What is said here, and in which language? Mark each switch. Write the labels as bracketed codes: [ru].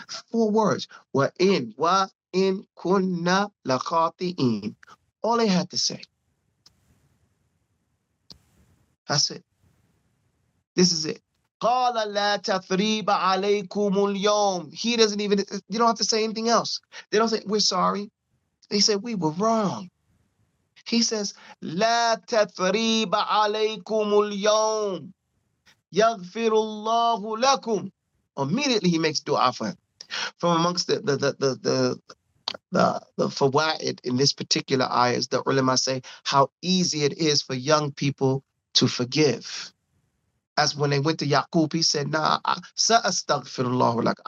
[en] Four words. Wa in kunna lakhati'in. All they had to say. That's it. This is it. [ar] قَالَ لَا تَثْرِيبَ عَلَيْكُمُ الْيَوْمِ. [en] He doesn't even, you don't have to say anything else. They don't say, we're sorry. They say, we were wrong. He says, [ar] لَا تَثْرِيبَ عَلَيْكُمُ الْيَوْمِ. يَغْفِرُ اللَّهُ لَكُمْ. [en] Immediately he makes dua for him. From amongst the fawa'id in this particular ayah is the ulama say how easy it is for young people to forgive. As when they went to Yaqub, he said, nah, sa'astaghfirullahu lak.